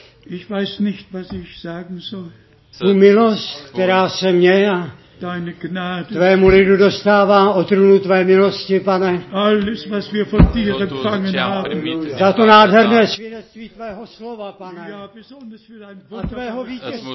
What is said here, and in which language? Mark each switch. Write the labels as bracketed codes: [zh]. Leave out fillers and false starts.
[de] Ich weiß nicht, was ich sagen soll. [cs] Tu milost, která se mě a [de] deine Gnade. [cs] Tvému lidu dostává od trůnu tvé milosti, pane. [de] Alles, was wir von dir empfangen haben. [cs] Za to nádherné svědectví tvého slova, pane. [de] Ja, besonders für dein Wort. [cs] A tvého vítězství, pane.